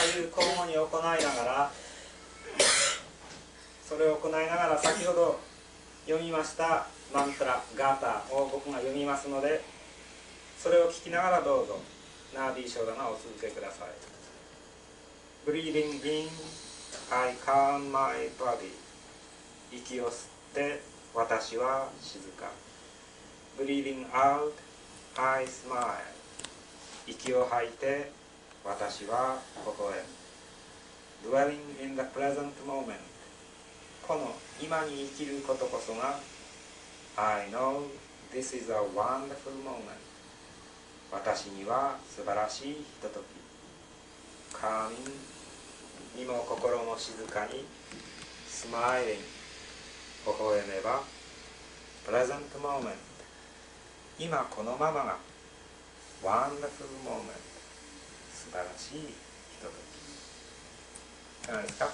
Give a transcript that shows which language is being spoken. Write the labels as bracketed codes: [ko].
[ja] 交互に行いながら、それを行いながら、先ほど読みましたマントラ、ガーターを僕が読みますので、それを聞きながらどうぞナーディーショーダマをお続けください。 [en] Breathing in, I calm my body. [ja] 息を吸って私は静か。 [en] Breathing out, I smile. [ja] 息を吐いて私は微笑む。 [en] Dwelling in the present moment. [ja] この今に生きることこそが、 [en] I know this is a wonderful moment. [ja] 私には素晴らしいひととき。 [en] Calming, [ja] 身も心も静かに。 [en] Smiling, [ja] 微笑めば。 [en] Present moment, [ja] 今このままが、 [en] Wonderful moment, [ja] 素晴らしいひととき。